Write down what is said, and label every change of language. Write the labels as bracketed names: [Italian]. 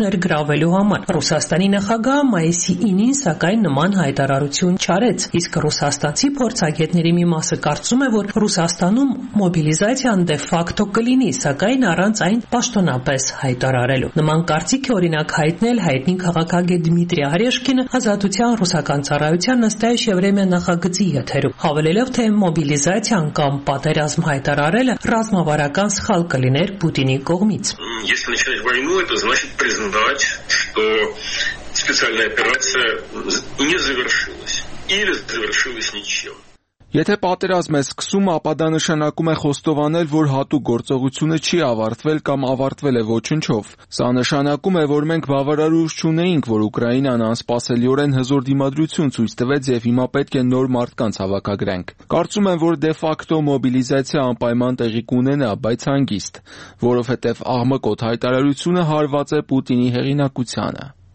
[Armenian] ներգրավելու համար։ Ռուսաստանի նախագահ մայիսի 9-ին սակայն նման հայտարարություն չարեց, իսկ ռուսաստանցի փորձագետների մի մասը կարծում է, որ Ռուսաստանում մոբիլիզացիան դե ֆակտո կլինի, սակայն առանց այն պաշտոնապես հայտարարելու։ Նման կարծիքը օրինակ հայտնել հայտնի քաղաքագետ Դմիտրի Արեշկինը Ազատության ռուսական ծառայության Նստայշ Եվրեմիա նախագծի եթերում, հավելելով, թե մոբիլիզացիան կամ պատերազմ հայտարարելը ռազմավարական սխալ կլիներ Պուտինի կողմից։ [Russian] Если начинать войну, это значит признавать, что специальная операция не завершилась или завершилась ничем. [Armenian] Եթե պատերազմ է սկսում, ապա դա նշանակում է խոստովանել, որ հատուկ գործողությունը չի ավարտվել կամ ավարտվել է ոչնչով։ Սա նշանակում է, որ մենք բավարարուժ չունեինք, որ Ուկրաինան անսպասելիորեն հզոր դիմադրություն ցույց տվեց և հիմա պետք է նոր մարդկանց հավաքագրենք։ Կարծում եմ, որ դեֆակտո մոբիլիզացիա անպայման տեղի կունենա, բայց հանգիստ, որովհետև ԱՀՄ-ի հայտարարությունը հարված է Պուտինի հեղինակությանը։